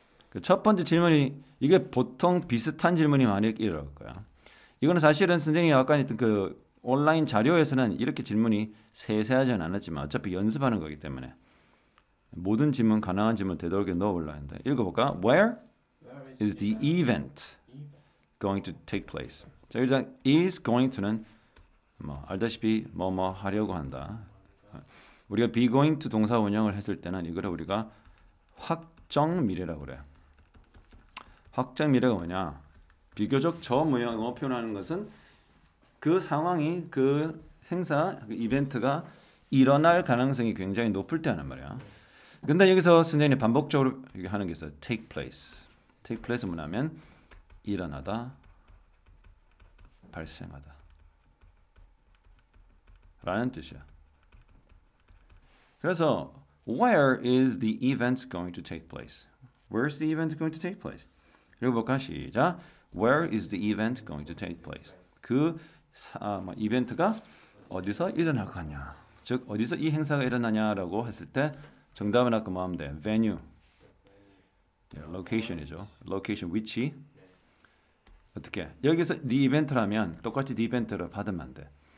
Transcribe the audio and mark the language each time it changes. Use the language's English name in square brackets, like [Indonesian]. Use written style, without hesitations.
[Korean] 그첫 번째 질문이 이게 보통 비슷한 질문이 많이 이럴 거야. 이거는 사실은 선생님이 아까 했던 그 온라인 자료에서는 이렇게 질문이 세세하지는 않았지만 어차피 연습하는 거기 때문에 모든 질문 가능한 질문 되도록 넣어보려 했는데 읽어볼까? [English] Where is the event going to take place? [Korean] 자, 일단 is going to는 뭐 알다시피 뭐뭐 하려고 한다. 우리가 be going to 동사 운영을 했을 때는 이거를 우리가 확정 미래라고 그래. 확장 미래가 뭐냐? 비교적 저무형으로 표현하는 것은 그 상황이 그 행사, 그 이벤트가 일어날 가능성이 굉장히 높을 때 하는 말이야. 근데 여기서 선생님이 반복적으로 얘기하는 게 있어요. Take place. Take place는 뭐냐면 일어나다, 발생하다 라는 뜻이야. 그래서 [English] Where is the event going to take place? Where is the event going to take place? [Korean] 그리고 볼까? 시작. [English] Where is the event going to take place? [Korean] 그 이벤트가 어디서 일어날 거냐, 즉 어디서 이 행사가 일어나냐라고 했을 때 정답은 아까 뭐 하면 돼? [English] Venue. Yeah, location이죠. Location, [Korean] 위치. 어떻게? 여기서 the event라면 똑같이 the event를 받으면 안 돼.